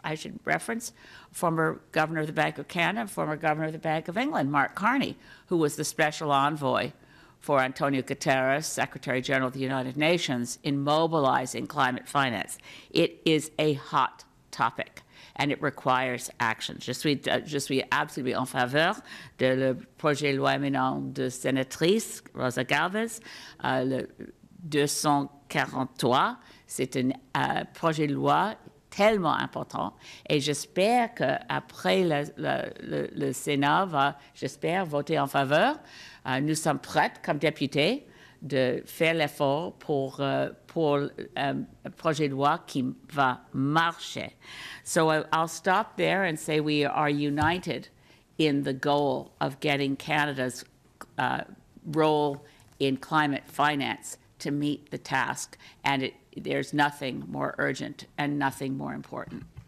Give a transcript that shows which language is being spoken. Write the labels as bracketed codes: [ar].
[en] I should reference former Governor of the Bank of Canada, former Governor of the Bank of England, Mark Carney, who was the special envoy for Antonio Guterres, Secretary General of the United Nations, in mobilizing climate finance. It is a hot topic, and it requires action. [fr] Je suis absolument en faveur de le projet de loi éminent de sénatrice Rosa Galvez, le 243. C'est un projet de loi tellement important et j'espère qu'après le Sénat va, j'espère, voter en faveur. Nous sommes prêts comme députés de faire l'effort pour un projet de loi qui va marcher. [en] So I'll stop there and say we are united in the goal of getting Canada's role in climate finance to meet the task, and there's nothing more urgent and nothing more important.